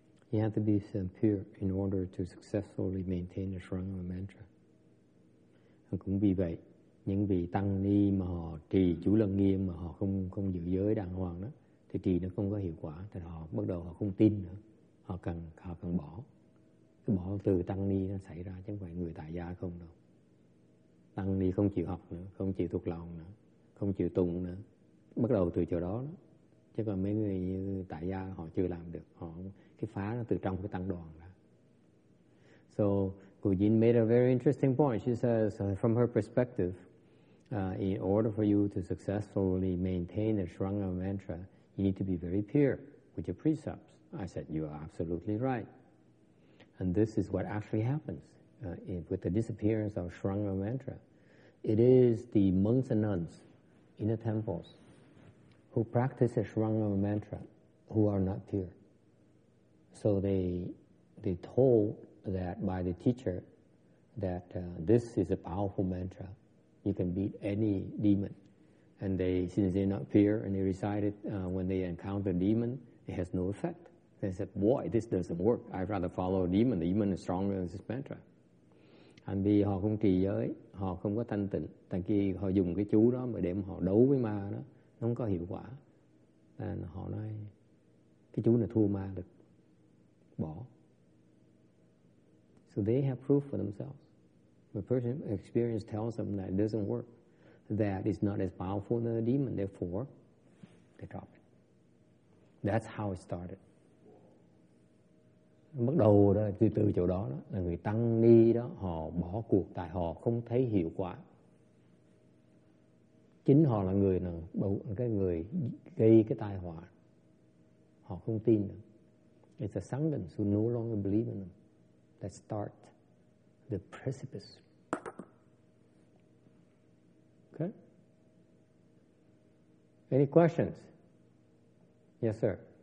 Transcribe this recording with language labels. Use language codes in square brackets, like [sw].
[en] You have to be sincere in order to successfully maintain the Sarangama mantra. [vi] Cũng vì vậy, những vị tăng ni mà họ trì chú Lăng Nghiêm mà họ không giữ giới đàng hoàng đó, thì trì nó không có hiệu quả. Thì họ bắt đầu họ không tin nữa. Họ cần bỏ. Cái bỏ từ tăng ni nó xảy ra chứ không phải người tại gia không đâu. Tăng ni không chịu học nữa, không chịu thuộc lòng nữa, không chịu tụng nữa. Bắt đầu từ chỗ đó. Chứ còn mấy người như tại gia họ chưa làm được. Họ cái phá nó từ trong cái tăng đoàn ra. [en] So, Kujin made a very interesting point. She says, from her perspective, in order for you to successfully maintain the Sarangama mantra, you need to be very pure with your precepts. I said, you are absolutely right. And this is what actually happens. With the disappearance of Sarangama mantra, it is the monks and nuns in the temples who practice the Sarangama mantra who are not pure. So they told that by the teacher that this is a powerful mantra. You can beat any demon. And they, since they're not pure, and they recited when they encounter a demon, it has no effect. They said, boy, this doesn't work. I'd rather follow a demon. The demon is stronger than this mantra. [vi] And vì họ không trì giới, họ không có thanh tịnh, tại khi họ dùng cái chú đó mà để mà họ đấu với ma đó, nó không có hiệu quả. Nên họ nói cái chú này thua ma được, bỏ. [en] So they have proof for themselves. The person experience tells them that it doesn't work, that it's not as powerful than a demon, therefore they drop it. That's how it started. [vi] Bắt đầu đó, từ chỗ đó, đó là người tăng ni đó họ bỏ cuộc tại họ không thấy hiệu quả. Chính họ là người nào, cái người gây cái tai họa. Họ không tin được. [en] It's the Sanghans who no longer believe in them that start the precipice. Okay? Any questions? Yes, sir.